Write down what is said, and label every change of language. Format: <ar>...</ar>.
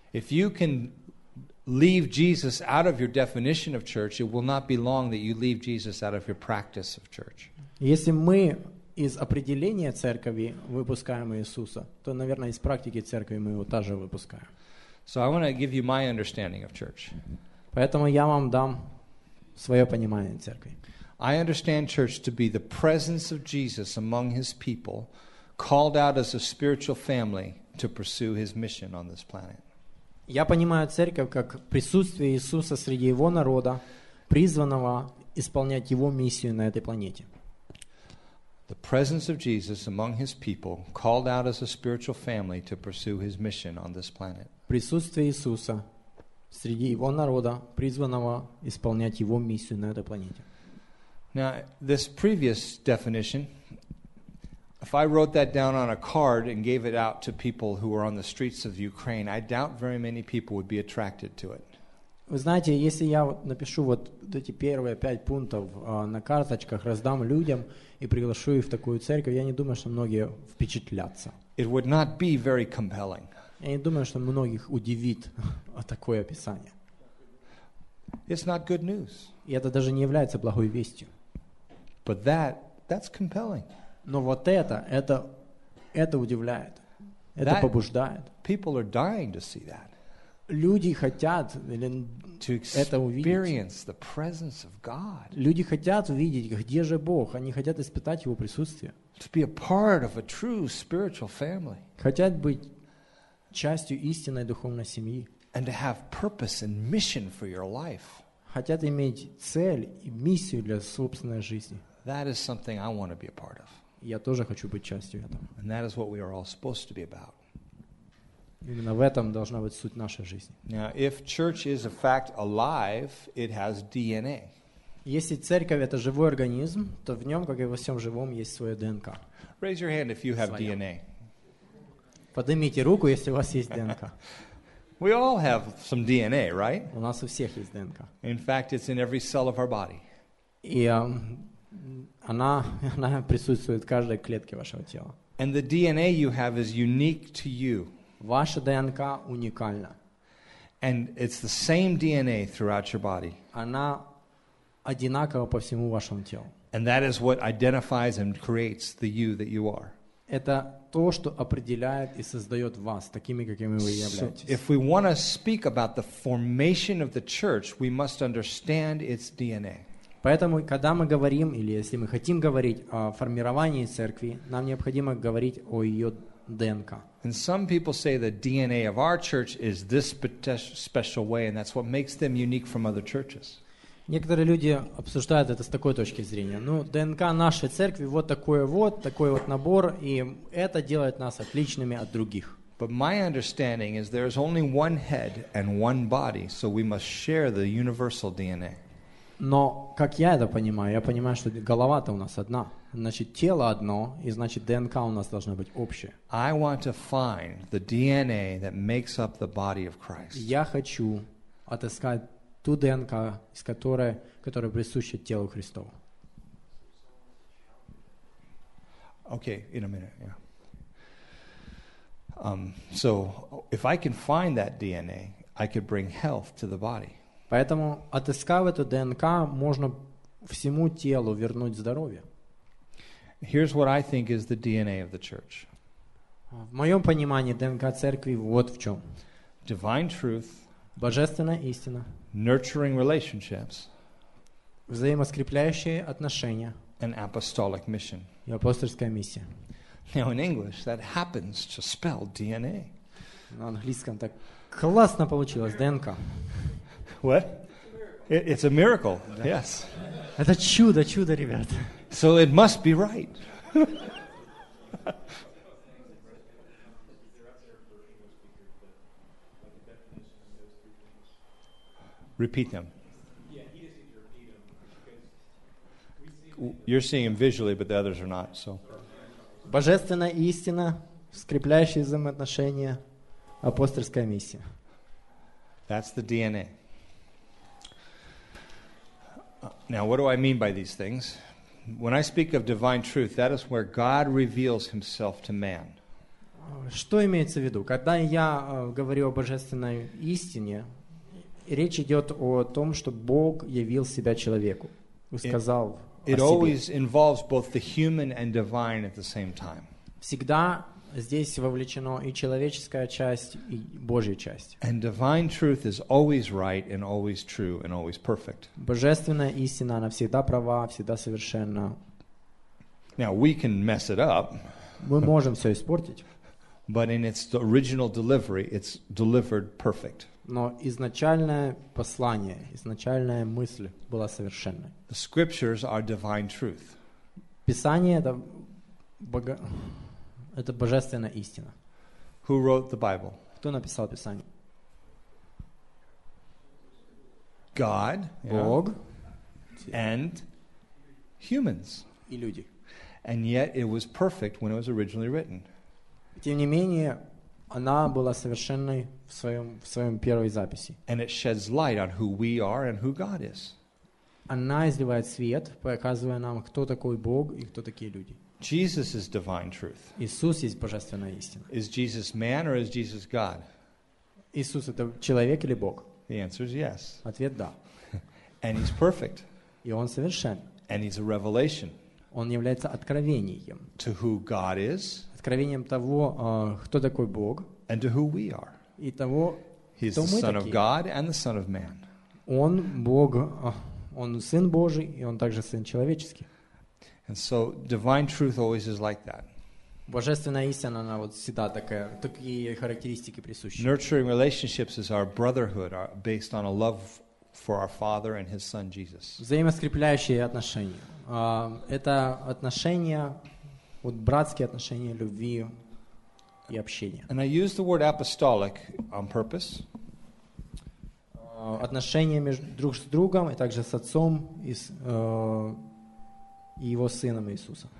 <en>If you can leave Jesus out of your definition of church, it will not be long that you leave Jesus out of your practice of church.</en> <ru>Если мы из определения церкви выпускаем Иисуса, то, наверное, из практики церкви мы его также выпускаем.</ru> <en>So I want to give you my understanding of church.</en> <ru>Поэтому я вам дам свое понимание церкви.</ru> <en>I understand church to be the presence of Jesus among his people, called out as a spiritual family to pursue his mission on this planet.</en> <ru>Я понимаю церковь как присутствие Иисуса среди его народа, призванного исполнять его миссию на этой планете.</ru> <en>The presence of Jesus among his people, called out as a spiritual family to pursue his mission on this planet.</en> <ru>Присутствие Иисуса среди его народа, призванного исполнять его миссию на этой планете.</ru> <en>Now, this previous definition, if I wrote that down on a card and gave it out to people who were on the streets of Ukraine, I doubt very many people would be attracted to it.</en> <ru>Вы знаете, если я напишу вот эти первые пять пунктов на карточках, раздам людям и приглашу их в такую церковь, я не думаю, что многие впечатлятся.</ru> <en>It would not be very compelling.</en> <ru>Я не думаю, что многих удивит такое описание.</ru> <en>It's not good news.</en> <ru>И это даже не является благой вестью.</ru> <en>But that's compelling.</en> <ru>Но вот это удивляет. Это that побуждает.</ru> <en>People are dying to see that.</en> <ru>Люди хотят это увидеть.</ru> <en>To experience the presence of God.</en> <ru>Люди хотят увидеть, где же Бог. Они хотят испытать его присутствие.</ru> <en>To be a part of a true spiritual family.</en> <ru>Хотят быть частью истинной духовной семьи.</ru> <en>And to have purpose and mission for your life.</en> <ru>Хотят иметь цель и миссию для собственной жизни.</ru> <en>That is something I want to be a part of.</en> <ru>Я тоже хочу быть частью этого.</ru> <en>And that is what we are all supposed to be about.</en> <ru>Именно в этом должна быть суть нашей жизни.</ru> <en>Now, if church is a fact alive, it has DNA.</en> <ru>Если церковь это живой организм, то в нем, как и во всем живом, есть свое ДНК.</ru> <en>Raise your hand if you have DNA.</en> <ru>Поднимите руку, если у вас есть ДНК.</ru> <en>We all have some DNA, right?</en> <ru>У нас у всех есть ДНК.</ru> <en>In fact, it's in every cell of our body.</en> <ru>И она присутствует в каждой клетке вашего тела.</ru> <en>And the DNA you have is unique to you.</en> <ru>Ваша ДНК уникальна.</ru> <en>And it's the same DNA throughout your body.</en> <ru>Она одинакова по всему вашему телу.</ru> <en>And that is what identifies and creates the you that you are.</en> <ru>Это то, что определяет и создает вас такими, какими вы являетесь.</ru> <en>If we want to speak about the formation of the church, we must understand its DNA.</en> <ru>Поэтому, когда мы говорим, или если мы хотим говорить о формировании церкви, нам необходимо говорить о ее ДНК.</ru> <en>And some people say the DNA of our church is this special way, and that's what makes them unique from other churches.</en> <ru>Некоторые люди обсуждают это с такой точки зрения. Ну, ДНК нашей церкви вот, такой вот набор, и это делает нас отличными от других.</ru> <en>But my understanding is there is only one head and one body, so we must share the universal DNA.</en> <ru>Но, как я это понимаю, что голова-то у нас одна. Значит, тело одно, и значит, ДНК у нас должна быть общая.</ru> <en>I want to find the DNA that makes up the body of Christ.</en> <ru>Я хочу отыскать ту ДНК, из которой, которая присуща телу Христову.</ru> <en>Okay, in a minute, yeah. So if I can find that DNA, I could bring health to the body.</en> <ru>Поэтому, отыскав эту ДНК, можно всему телу вернуть здоровье.</ru> <en>Here's what I think is the DNA of the church.</en> <ru>В моем понимании, ДНК церкви вот в чем.</ru> <en>divine truth,</en> <ru>божественная истина,</ru> <en>nurturing relationships,</en> <ru>взаимоскрепляющие отношения,</ru> <en>and apostolic mission.</en> <ru>И апостольская миссия.</ru> <en>Now in English that happens to spell DNA.</en> <ru>На английском так классно получилось ДНК.</ru> <en>What? It's a miracle. Да. Yes.</en> <ru>Это чудо, чудо, ребят.</ru> <en>So it must be right. Repeat them. You're seeing him visually, but the others are not. So.</en> <ru>Божественная истина, скрепляющие взаимоотношения, апостольская миссия.</ru> <en>That's the DNA. Now, what do I mean by these things? When I speak of divine truth, that is where God reveals himself to man.</en> <ru>Что имеется в виду? Когда я говорю о божественной истине, речь идет о том, что Бог явил себя человеку, сказал о себе.</ru> <en>It always involves both the human and divine at the same time.</en> <ru>Всегда здесь вовлечено и человеческая часть, и Божья часть.</ru> <en>And divine truth is always right and always true and always perfect.</en> <ru>Божественная истина, она всегда права, всегда совершенна.</ru> <en>Now we can mess it up.</en> <ru>Мы можем все испортить.</ru> <en>But in its original delivery, it's delivered perfect.</en> <ru>Но изначальное послание, изначальная мысль была совершенной.</ru> <en>The scriptures are divine truth.</en> <ru>Писание это это божественная истина.</ru> <en>Who wrote the Bible?</en> <ru>Кто написал Писание?</ru> <en>God,</en> <ru>Бог,</ru> <en>yeah. And humans.</en> <ru>И люди.</ru> <en>And yet it was perfect when it was originally written.</en> <ru>Тем не менее, она была совершенной в своем первой записи.</ru> <en>And it sheds light on who we are and who God is.</en> <ru>Она изливает свет, показывая нам, кто такой Бог и кто такие люди.</ru> <en>Jesus is divine truth.</en> <ru>Иисус есть божественная истина.</ru> <en>Is Jesus man or is Jesus God?</en> <ru>Иисус это человек или Бог?</ru> <en>The answer is yes.</en> <ru>Ответ да.</ru> <en>And he's perfect.</en> <ru>И он совершен.</ru> <en>And he's a revelation.</en> <ru>Он является откровением.</ru> <en>To who God is.</en> <ru>Откровением того, кто такой Бог.</ru> <en>And to who we are.</en> <ru>И того,</ru> <en>he's the Son of God and the Son of Man.</en> <ru>Он Бог, он Сын Божий, и он также Сын Человеческий.</ru> <en>And so divine truth always is like that.</en> <ru>Божественная истина, она вот всегда такая, такие характеристики присущи.</ru> <en>Nurturing relationships is our brotherhood, based on a love for our Father and His Son Jesus.</en> <ru>Взаимоскрепляющие отношения. Это отношения, вот братские отношения любви и общения.</ru> <en>And I use the word apostolic on purpose.</en> <ru>Отношения между друг с другом и также с отцом и с и его сыном Иисусом.</ru>